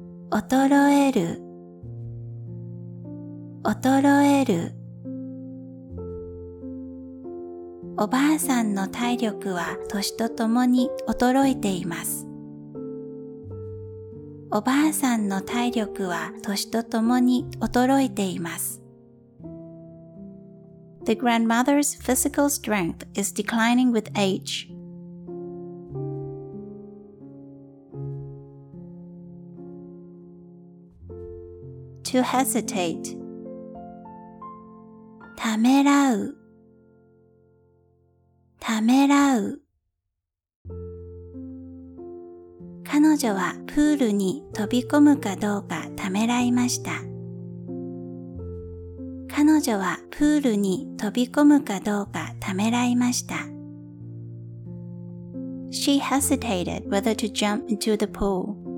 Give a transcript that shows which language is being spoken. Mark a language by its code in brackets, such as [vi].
[ja] 衰える衰える。おばあさんの体力は年とともに衰えています。おばあさんの体力は年とともに衰えています。 [en] The grandmother's physical strength is declining with age. To hesitate. [ja] ためらう。ためらう。彼女はプールに飛び込むかどうかためらいました。彼女はプールに飛び込むかどうかためらいました。 [en] She hesitated whether to jump into the pool.